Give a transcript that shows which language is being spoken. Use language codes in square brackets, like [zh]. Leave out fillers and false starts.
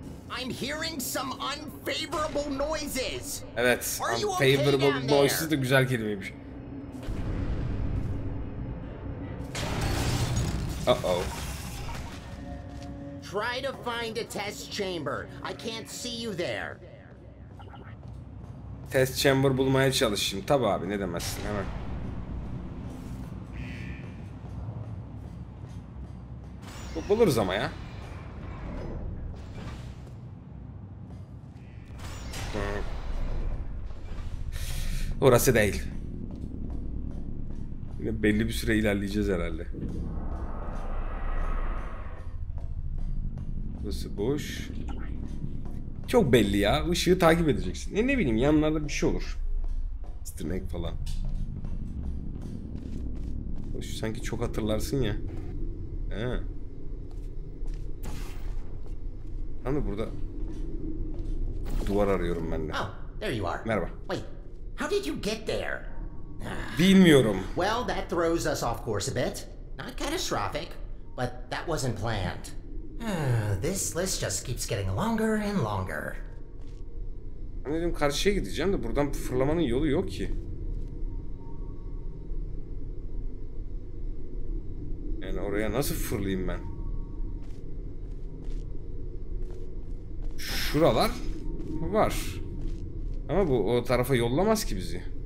[en] I'm hearing some unfavorable noises. [tr] Evet. [en] Unfavorable noises [tr] de güzel kelimeymiş. [en] Try to find a test chamber. I can't see you there. [tr] Test chamber bulmaya çalışayım. Tabii abi, ne demezsin, hemen. Buluruz ama ya. Orası değil. Yine belli bir süre ilerleyeceğiz herhalde. Burası boş. Çok belli ya. Işığı takip edeceksin. Ne bileyim, yanlarda bir şey olur. Stimek falan. Boş, sanki çok hatırlarsın ya. Hani burada duvar arıyorum ben de. [en] Oh, there you are. [tr] Merhaba. [en] Wait. How did you get there? [tr] Bilmiyorum. [en] Well, that throws us off course a bit. Not catastrophic, but that wasn't planned. This list just keeps getting longer and longer. [tr] Ben dedim karşıya gideceğim de buradan fırlamanın yolu yok ki. Yani oraya nasıl fırlayayım ben? Şuralar var. Ama bu o tarafa yollamaz ki bizi.